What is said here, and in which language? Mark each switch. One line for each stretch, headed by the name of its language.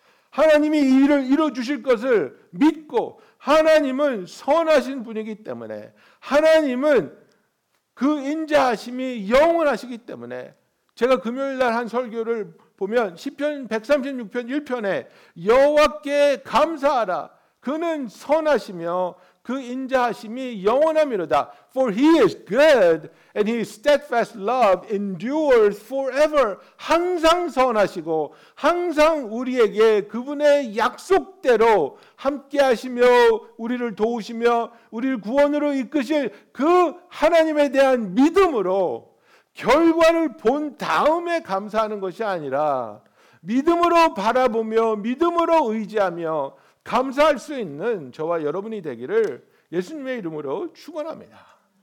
Korean: 하나님이 이 일을 이뤄주실 것을 믿고, 하나님은 선하신 분이기 때문에, 하나님은 그 인자하심이 영원하시기 때문에, 제가 금요일날 한 설교를 보면 시편 136편 1편에 여호와께 감사하라, 그는 선하시며 그 인자하심이 영원함이로다.
English: For he is good and his steadfast love endures forever.
Korean: 항상 선하시고 항상 우리에게 그분의 약속대로 함께 하시며 우리를 도우시며 우리를 구원으로 이끄실 그 하나님에 대한 믿음으로 결과를 본 다음에 감사하는 것이 아니라 믿음으로 바라보며 믿음으로 의지하며 감사할 수 있는 저와 여러분이 되기를 예수님의 이름으로 축원합니다.